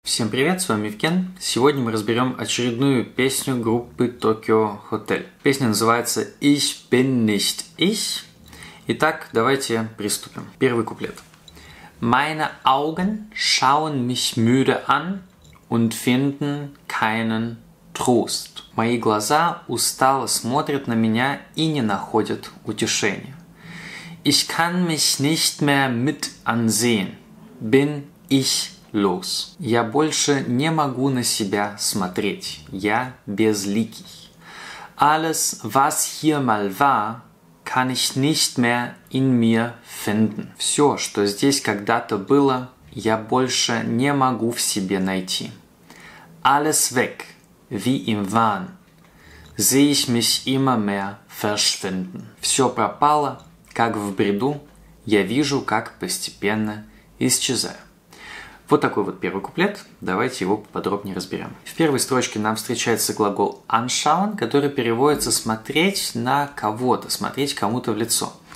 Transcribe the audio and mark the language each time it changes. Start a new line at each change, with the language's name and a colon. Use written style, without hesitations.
Russian: Всем привет, с вами Евген. Сегодня мы разберем очередную песню группы Tokyo Hotel. Песня называется Ich bin nicht ich. Итак, давайте приступим. Первый куплет.
German: Meine Augen schauen mich müde an und finden keinen Trost.
Russian: Мои глаза устало смотрят на меня и не находят утешения.
German: Ich kann mich nicht mehr mit ansehen. Bin ich los.
Russian: Я больше не могу на себя смотреть. Я безликий.
German: Alles, was hier mal war, kann ich nicht mehr in mir finden.
Russian: Все, что здесь когда-то было, я больше не могу в себе найти.
German: Alles weg, wie im Wahn, sehe ich mich immer mehr verschwinden.
Russian: Все пропало, как в бреду, я вижу, как постепенно исчезаю. Вот такой вот первый куплет. Давайте его поподробнее разберем. В первой строчке нам встречается глагол anschauen, который переводится «смотреть на кого-то», «смотреть кому-то в лицо».